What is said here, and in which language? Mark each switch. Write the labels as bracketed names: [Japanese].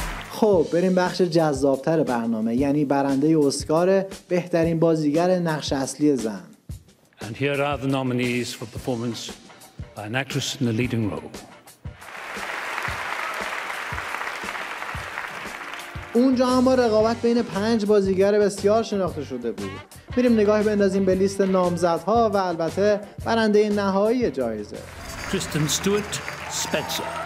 [Persian] خب بریم بخش جذابتر برنامه، یعنی برنده اسکار بهترین بازیگر نقش اصلی زن. [English] And here are the nominees for performance by an actress in the leading role. [Persian] اونجا هم رقابت بین 5 بازیگر بسیار شناخته شده بود. بریم نگاهی بندازیم به لیست نامزدها و البته برنده نهایی جایزه. [English] Kristen Stewart Spencer.